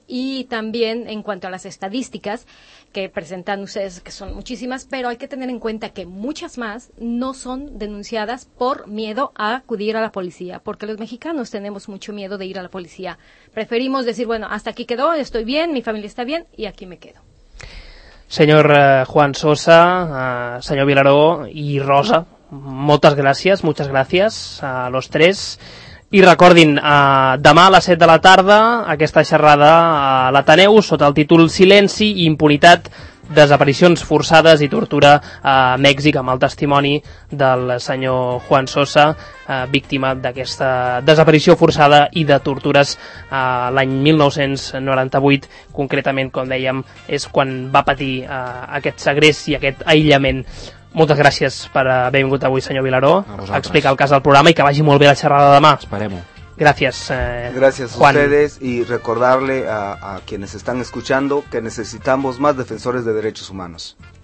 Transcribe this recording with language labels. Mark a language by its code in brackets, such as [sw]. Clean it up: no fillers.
[es] Y también en cuanto a las estadísticas que presentan ustedes, que son muchísimas, pero hay que tener en cuenta que muchas más no son denunciadas por miedo a acudir a la policía, porque los mexicanos tenemos mucho miedo de ir a la policía. Preferimos decir, bueno, hasta aquí quedó, estoy bien, mi familia está bien y aquí me quedo. Señor Juan Sosa, señor Vilaró y Rosa, muchas gracias a los tres. [ca] I recordin, demà a les 7 de la tarda, aquesta xerrada a l'Ateneu sota el títol Silenci, impunitat, desaparicions forçades i tortura a Mèxic, amb el testimoni del senyor Juan Sosa, víctima d'aquesta desaparició forçada i de tortures l'any 1998, concretament, com dèiem, és quan va patir aquest segrest i aquest aïllament. Moltes gràcies per haver vingut avui, senyor Vilaró, a explicar el cas del programa, i que vagi molt bé la xerrada demà. Esperem-ho. [es] Gracias. Gracias a ustedes y recordarle a quienes están escuchando que necesitamos más defensores de derechos humanos.